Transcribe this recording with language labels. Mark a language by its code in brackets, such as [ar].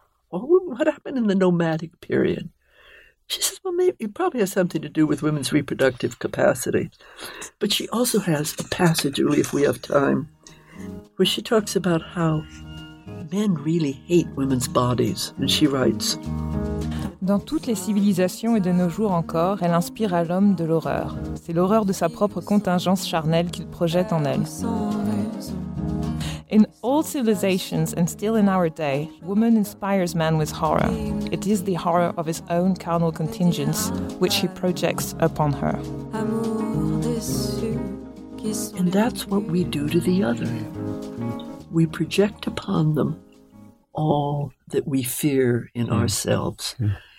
[en] What happened in the nomadic period? She says, well, maybe it probably has something to do with women's reproductive capacity. But she also has a passage, really, if we have time, where she talks about how men really hate women's bodies. And she writes, [fr] dans toutes les civilisations et de nos jours encore, elle inspire à l'homme de l'horreur. C'est l'horreur de sa propre contingence charnelle qu'il projette en elle. [en] In all civilizations and still in our day, woman inspires man with horror. It is the horror of his own carnal contingence which he projects upon her. And that's what we do to the other. We project upon them all that we fear in ourselves. Yeah.